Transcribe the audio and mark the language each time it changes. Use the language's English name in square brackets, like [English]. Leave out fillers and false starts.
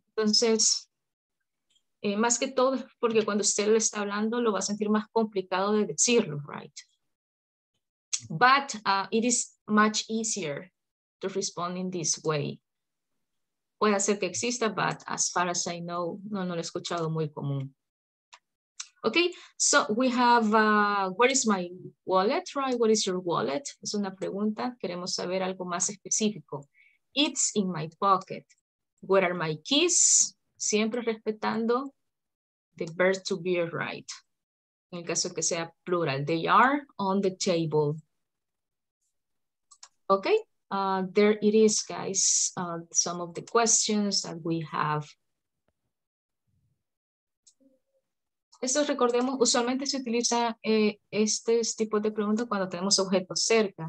[Spanish] Entonces, más que todo, porque cuando usted lo está hablando, lo va a sentir más complicado de decirlo, right? [English] But it is much easier to respond in this way. [Spanish] Puede ser que exista, [English] but as far as I know, [Spanish] no lo he escuchado muy común. [English] Okay, so we have, where is my wallet, right? What is your wallet? [Spanish] Es una pregunta, queremos saber algo más específico. [English] It's in my pocket. Where are my keys? [Spanish] Siempre respetando [English] the verb to be, [Spanish] right? En el caso que sea plural, [English] they are on the table. Okay. There it is, guys, some of the questions that we have. [Spanish] Esto recordemos, usualmente se utiliza este tipo de preguntas cuando tenemos objetos cerca.